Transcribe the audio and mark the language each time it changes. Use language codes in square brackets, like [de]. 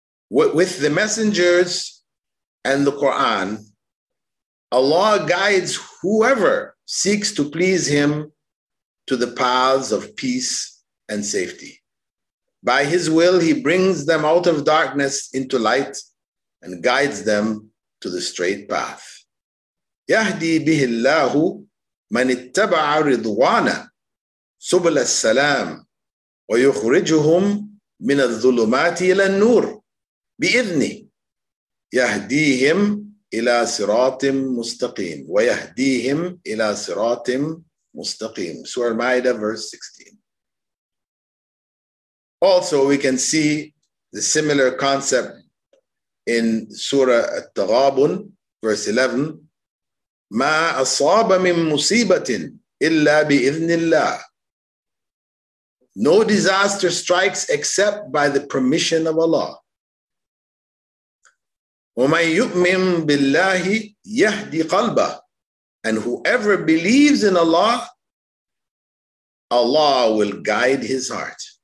[en] With the messengers and the Quran, Allah guides whoever seeks to please him to the paths of peace and safety. By his will, he brings them out of darkness into light and guides them to the straight path. [ar] يهدي به الله من اتبع رضوانا سبل السلام ويخرجهم من الظلمات إلى النور بإذنه يهديهم إلى صراط مستقيم ويهديهم إلى صراط مستقيم. [en] Surah Maida, verse 16. Also, we can see the similar concept in Surah At-Taghabun, verse 11. [ar] ما أصاب من مصيبة إلا بإذن الله. [en] No disaster strikes except by the permission of Allah. [ar] ومن يؤمن بالله يهدي قلبه. [en] And whoever believes in Allah, Allah will guide his heart.